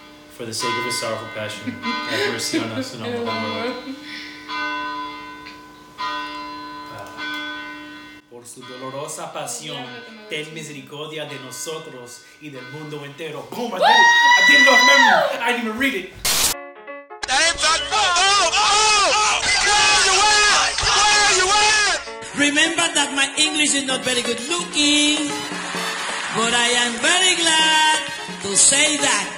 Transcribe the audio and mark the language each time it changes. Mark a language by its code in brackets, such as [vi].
[en] For the sake of his sorrowful passion, have mercy on us and on the whole world. [es] Por su dolorosa pasión, ten misericordia de nosotros y del mundo entero. [en] Boom! I didn't know the memory. I didn't even read it. That ain't that good. Oh! Where are you at? Remember that my English is not very good looking. But I am very glad to say that.